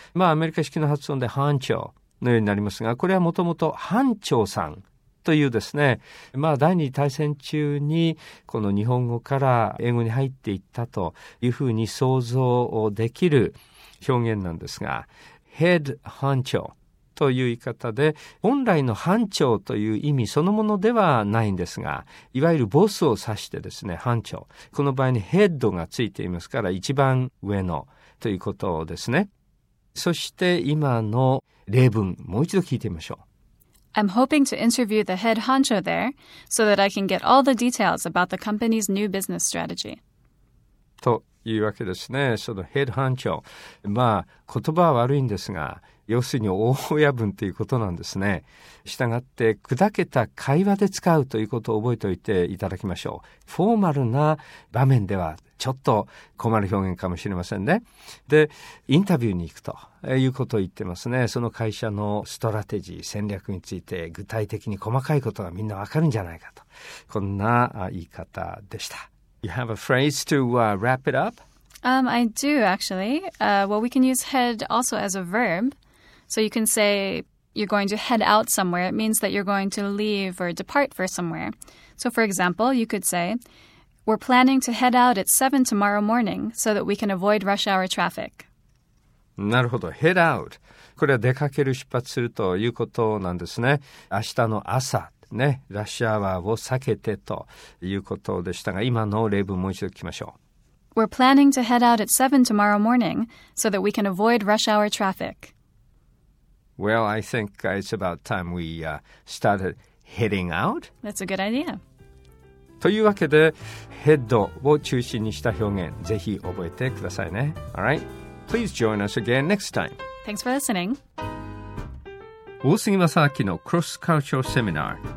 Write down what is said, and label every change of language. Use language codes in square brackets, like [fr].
[ja] まあアメリカ式の発音で班長のようになりますが、これはもともと班長さんというですね、まあ第二次大戦中にこの日本語から英語に入っていったというふうに想像をできる表現なんですが、Head honcho という言い方で、本来の班長という意味そのものではないんですが、いわゆるボスを指してですね、班長、この場合に Head がついていますから一番上のということですね。そして今の例文もう一度聞いてみましょう。 [en] I'm hoping to interview the head honcho there so that I can get all the details about the company's new business strategy. [ja] というわけですね。そのヘッドハンチョ、まあ言葉は悪いんですが、要するに大親分ということなんですね。したがって砕けた会話で使うということを覚えておいていただきましょう。フォーマルな場面ではちょっと困る表現かもしれませんね。で、インタビューに行くということを言ってますね。その会社のストラテジー、戦略について具体的に細かいことがみんなわかるんじゃないかと。こんな言い方でした。 [en] You have a phrase to wrap it up? I do, actually. Well, we can use head also as a verb. So you can say you're going to head out somewhere. It means that you're going to leave or depart for somewhere. So for example, you could say, We're planning to head out at 7 tomorrow morning so that we can avoid rush hour traffic. [ja] なるほど。Head out. これは出かける、出発するということなんですね。明日の朝、ね、ラッシュアワーを避けてということでしたが、今の例文もう一度聞きましょう。 [en] We're planning to head out at 7 tomorrow morning so that we can avoid rush hour traffic. Well, I think it's about time we started heading out. That's a good idea. [ja] というわけで、ヘッドを中心にした表現、ぜひ覚えてくださいね。 [en] All right. Please join us again next time. Thanks for listening. [ja] 大杉正明のクロスカルチャルセミナー。